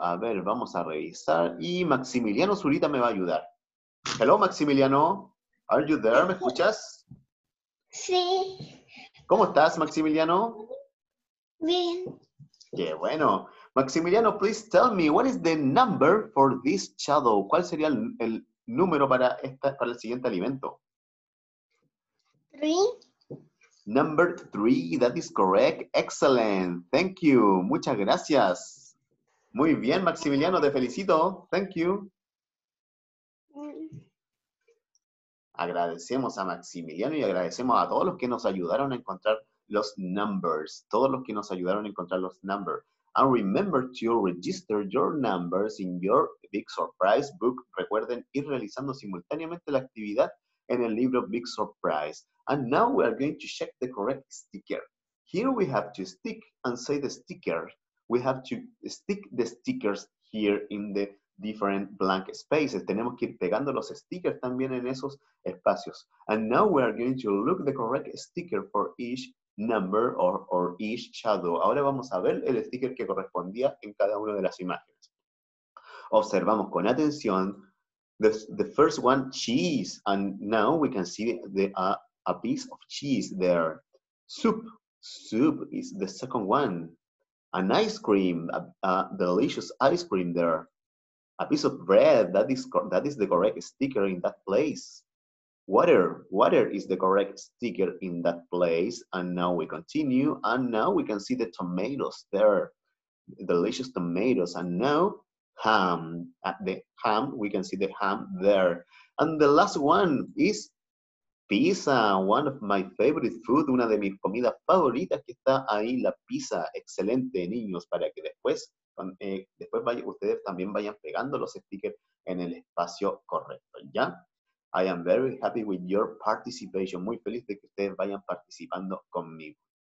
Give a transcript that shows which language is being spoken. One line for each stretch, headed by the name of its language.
Spanish: A ver, vamos a revisar. Y Maximiliano Zurita me va a ayudar.
English: Hello, Maximiliano. Are you there?
Spanish: ¿Me escuchas? Sí. ¿Cómo estás, Maximiliano? Bien. Qué bueno.
English: Maximiliano, please tell me, what is the number for this shadow?
Spanish: ¿Cuál sería el número para el siguiente alimento?
English: Three. Number three, that is correct. Excellent. Thank you.
Spanish: Muchas gracias. Muy bien, Maximiliano, te felicito.
English: Thank you.
Spanish: Agradecemos a Maximiliano y agradecemos a todos los que nos ayudaron a encontrar los numbers. Todos los que nos ayudaron a encontrar los numbers.
English: And remember to register your numbers in your Big Surprise book.
Spanish: Recuerden ir realizando simultáneamente la actividad en el libro Big Surprise.
English: And now we are going to check the correct sticker. Here we have to stick and say the sticker. We have to stick the stickers here in the different blank spaces.
Spanish: Tenemos que ir pegando los stickers también en esos espacios.
English: And now we are going to look the correct sticker for each number or each shadow.
Spanish: Ahora vamos a ver el sticker que correspondía en cada una de las imágenes. Observamos con atención
English: the first one, cheese, and now we can see a piece of cheese there. Soup is the second one. An ice cream, a delicious ice cream there. A piece of bread, that is the correct sticker in that place. Water is the correct sticker in that place. And now we continue. And now we can see the tomatoes there. Delicious tomatoes. And now ham. At the ham, we can see the ham there. And the last one is pizza. One of my favorite food.
Spanish: Una de mis comidas favoritas que está ahí, la pizza. Excelente, niños. Para que después ustedes también vayan pegando los stickers en el espacio correcto. ¿Ya?
English: I am very happy with your participation.
Spanish: Muy feliz de que ustedes vayan participando conmigo.